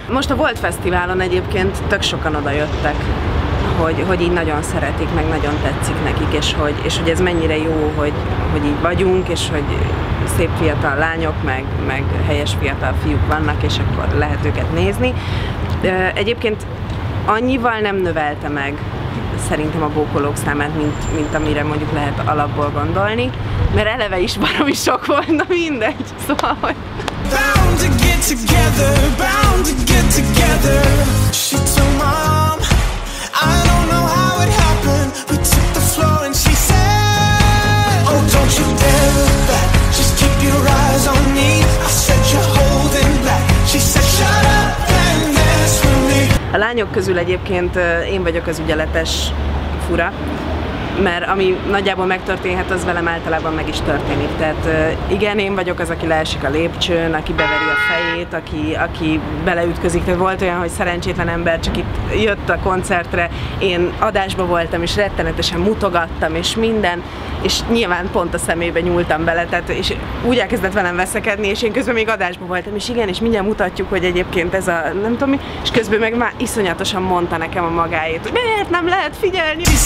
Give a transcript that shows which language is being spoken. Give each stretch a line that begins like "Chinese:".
Hungarian: Most a Volt Fesztiválon egyébként tök sokan odajöttek. Hogy így nagyon szeretik, meg nagyon tetszik nekik, és hogy ez mennyire jó, hogy így vagyunk, és hogy szép fiatal lányok, meg helyes fiatal fiúk vannak, és akkor lehet őket nézni. Egyébként annyival nem növelte meg szerintem a bókolók számát, mint amire mondjuk lehet alapból gondolni, mert eleve is baromi sok volt, na mindegy, szóval, hogy...
English: Bound to get together, bound to get together. She's so mom. I don't know how it happened. We took the floor and she said, oh, don't you dare look back. Just keep your eyes on me. I said you're holding back. She said shut up and dance with me.
Hungarian: A lányok közül egyébként én vagyok az ügyeletes fura, mert ami nagyjából megtörténhet, az velem általában meg is történik. Tehát igen, én vagyok az, aki leesik a lépcsőn, aki beveri a fejét, aki beleütközik. Tehát volt olyan, hogy szerencsétlen ember csak itt jött a koncertre, én adásba voltam, és rettenetesen mutogattam, és minden, és nyilván pont a szemébe nyúltam bele, tehát és úgy elkezdett velem veszekedni, és én közben még adásba voltam, és igen, és mindjárt mutatjuk, hogy egyébként ez a nem tudom mi, és közben meg már iszonyatosan mondta nekem a magáét, hogy miért nem lehet figyelni.